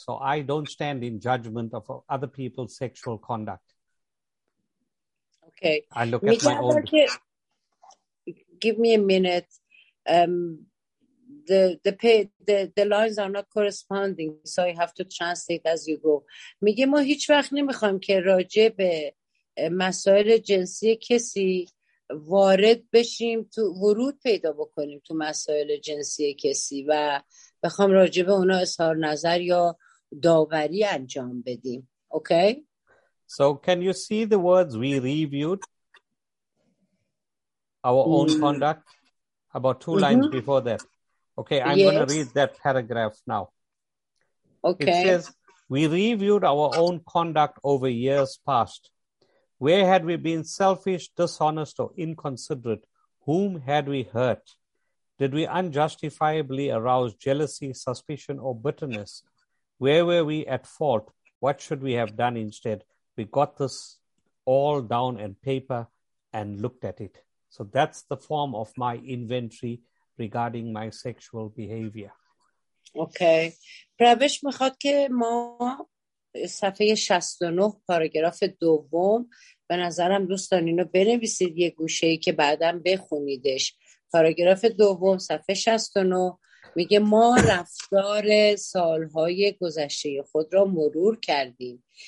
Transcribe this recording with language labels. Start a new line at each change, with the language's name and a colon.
English: So I don't stand in judgment of other people's sexual conduct. Okay. I look at my own. Give me a minute. The lines are not corresponding, so I have to translate as you go.
Persian: میگه ما هیچ وقت نمیخوایم که راجع به مسائل جنسی کسی وارد بشیم، تو ورود پیدا بکنیم تو مسائل جنسی کسی و بخوام راجع به اونا اظهار نظر یا داوری انجام بدیم.
English: Okay? So can you see the words we reviewed? Our own conduct? About two lines before that. Okay, I'm going to read that paragraph now. Okay. It says, we reviewed our own conduct over years past. Where had we been selfish, dishonest, or inconsiderate? Whom had we hurt? Did we unjustifiably arouse jealousy, suspicion, or bitterness? Where were we at fault? What should we have done instead? We got this all down in paper and looked at it. So that's the form of my inventory regarding my sexual behavior. Okay.
Persian: پرویش میخواد که ما صفحه 69 پاراگراف دوم، به نظرم دوستان اینو بنویسید یه گوشه ای که بعدم بخونیدش. پاراگراف دوم صفحه 69 میگه ما رفتار سالهای گذشته خود را مرور کردیم.